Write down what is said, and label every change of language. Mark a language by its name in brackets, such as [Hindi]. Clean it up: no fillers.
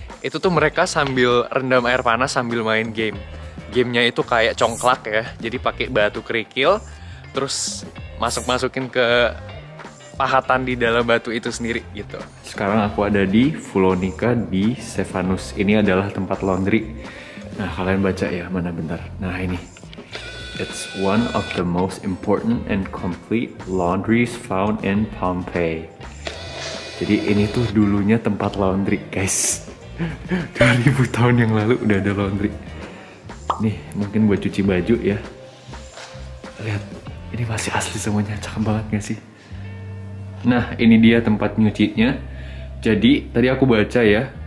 [Indonesian] Itu tuh mereka sambil rendam air panas sambil main game. Gamenya itu kayak congklak ya, jadi pakai batu kerikil, terus masuk-masukin ke pahatan di dalam batu itu sendiri gitu. Sekarang aku ada di Fulonica di Stephanus. Ini adalah tempat laundry. Nah, kalian baca ya, mana bentar. Nah, ini. [English] It's one of the most important and complete laundries found in Pompeii. [Indonesian] Jadi ini tuh dulunya tempat laundry, guys. 2000 tahun yang lalu udah ada laundry. Nih, mungkin buat cuci baju ya. Lihat, ini masih asli semuanya, cakep banget gak sih? Nah, ini dia tempat nyucinya. Jadi, tadi aku baca ya.